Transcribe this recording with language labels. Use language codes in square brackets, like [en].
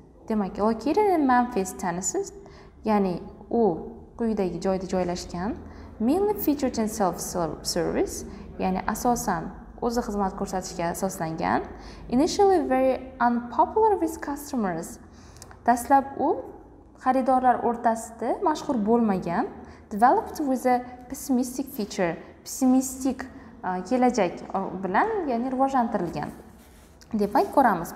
[en] Demak, located in Memphis, Tennessee. [uz] Ya'ni u quyidagi joyda joylashgan. [en] Mainly featured in self-service. [uz] Ya'ni asosan o'zi xizmat ko'rsatishga asoslangan. [en] Initially very unpopular with customers. [uz] Dastlab u xaridorlar o'rtasida mashhur bo'lmagan, [en] developed with a pessimistic future, [uz] pessimistic kelajak bilan, ya'ni rivojlantirilgan. Demak, ko'ramiz.